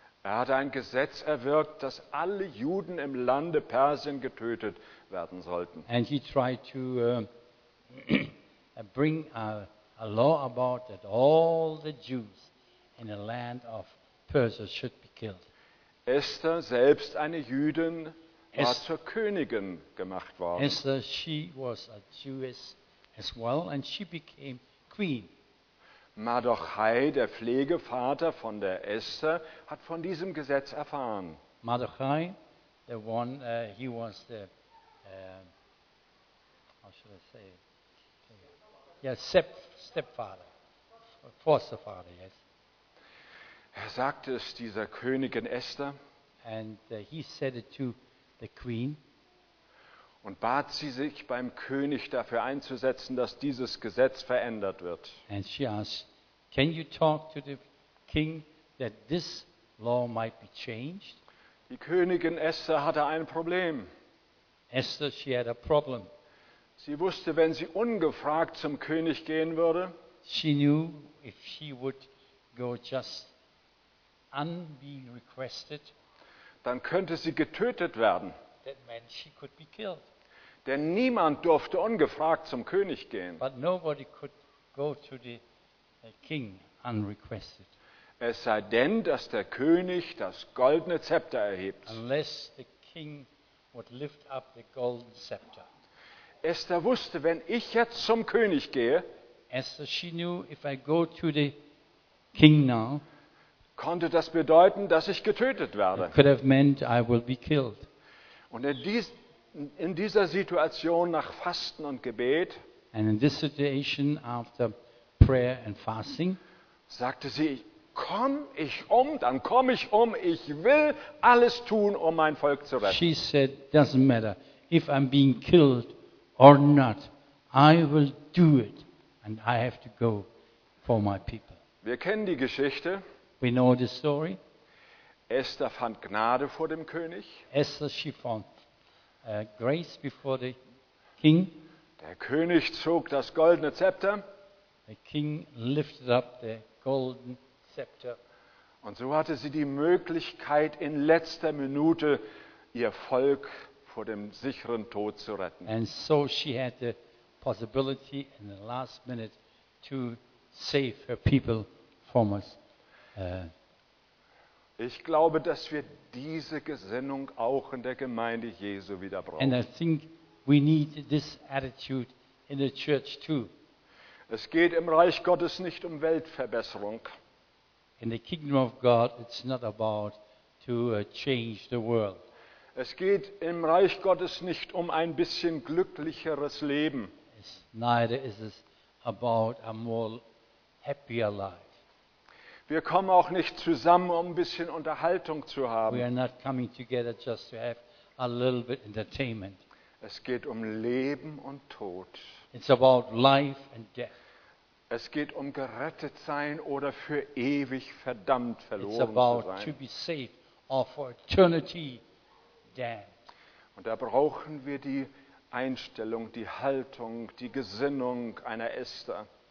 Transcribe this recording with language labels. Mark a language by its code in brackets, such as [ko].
[de] Er hatte ein Gesetz erwirkt, dass alle Juden im Lande Persien getötet werden sollten. [en] And he tried to bring a law about that all the Jews in the land of Persia should be killed. [de] Esther selbst, eine Jüdin, war zur Königin gemacht worden. [en] Esther, she was a Jewess as well, and she became queen. [de] Mardochai, der Pflegevater von der Esther, hat von diesem Gesetz erfahren. [en] Mardochai, the one, he was the, how should I say it? Stepfather. Foster father, yes. [de] Er sagte es dieser Königin Esther. [en] And he said it to the queen. [de] Und bat sie, sich beim König dafür einzusetzen, dass dieses Gesetz verändert wird. [en] And she asked, can you talk to the king that this law might be changed? [de] Die Königin Esther hatte ein Problem. [en] Esther, she had a problem. [de] Sie wusste, wenn sie ungefragt zum König gehen würde, [en] she knew if she would go just unbeing requested, [de] dann könnte sie getötet werden. [en] That meant she could be killed. [de] Denn niemand durfte ungefragt zum König gehen. [en] But nobody could go to the king unrequested. [de] Es sei denn, dass der König das goldene Zepter erhebt. [en] Unless the king would lift up the golden scepter. [de] Esther wusste, wenn ich jetzt zum König gehe, [en] Esther, she knew if I go to the king now, [de] konnte das bedeuten, dass ich getötet werde. [en] It could have meant I will be killed. [de] Und in dieser Situation nach Fasten und Gebet, [en] and in this situation after prayer and fasting, [de] sagte sie, komm ich um, dann komme ich um, ich will alles tun, um mein Volk zu retten. [en] She said, doesn't matter if I'm being killed or not, I will do it and I have to go for my people. [de] Wir kennen die Geschichte. [en] We know the story. [de] Esther fand Gnade vor dem König. [en] Esther, she found grace before the king. [de] Der König zog das goldene Zepter. [en] The king lifted up the golden scepter. [de] Und so hatte sie die Möglichkeit, in letzter Minute ihr Volk vor dem sicheren Tod zu retten. [en] And so she had the possibility in the last minute to save her people from us. [de] Ich glaube, dass wir diese Gesinnung auch in der Gemeinde Jesu wieder brauchen. [en] And I think we need this attitude in the church too. [de] Es geht im Reich Gottes nicht um Weltverbesserung. [en] In the kingdom of God, it's not about to change the world. [de] Es geht im Reich Gottes nicht um ein bisschen glücklicheres Leben. [en] Neither is it about a more happier life. [de] Wir kommen auch nicht zusammen, um ein bisschen Unterhaltung zu haben. [en] We are not coming together just to have a little bit entertainment. [de] Es geht um Leben und Tod. [en] It's about life and death. [de] Es geht um gerettet sein oder für ewig verdammt verloren zu sein. [en] It's about to be saved or for eternity damned. [de] Und da brauchen wir die Einstellung, die Haltung, die Gesinnung einer Esther.